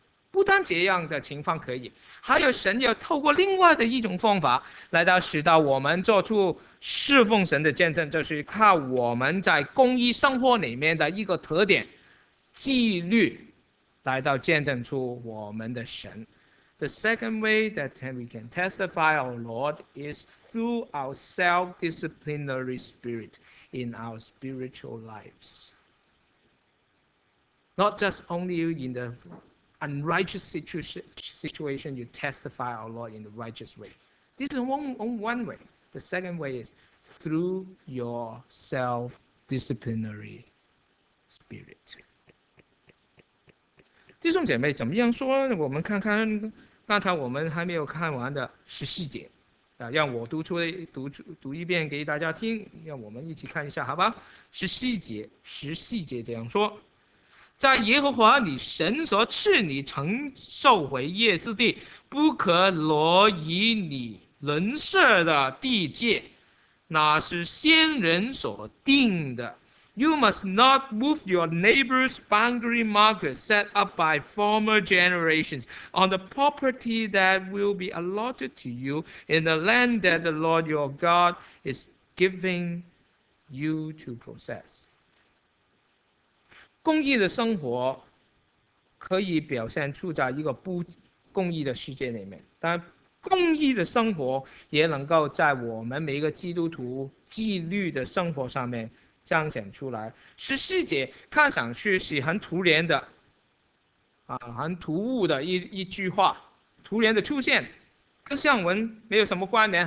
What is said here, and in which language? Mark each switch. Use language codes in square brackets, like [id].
[zh] 不但这样的情况可以，还有神要透过另外的一种方法，来到使到我们做出侍奉神的见证，就是靠我们在公义生活里面的一个特点，纪律，来到见证出我们的神。 [en] The second way that we can testify our Lord is through our self-disciplinary spirit in our spiritual lives. Not just only in the unrighteous situation, you testify our Lord in the righteous way. This is one way. The second way is through your self-disciplinary spirit. [zh] 弟兄姐妹，怎么样说？我们看看刚才我们还没有看完的14节，让我读一遍给大家听，让我们一起看一下，好吧？十四节这样说。在耶和华你神所赐你承受为业之地，不可挪移你邻舍的地界，那是先人所定的。 [en] You must not move your neighbor's boundary marker set up by former generations on the property that will be allotted to you in the land that the Lord your God is giving you to possess. [zh] 公义的生活可以表现出在一个不公义的世界里面，但公义的生活也能够在我们每一个基督徒纪律的生活上面彰显出来。十四节看上去是很突然的，很突兀的一句话，突然的出现，跟上文没有什么关联。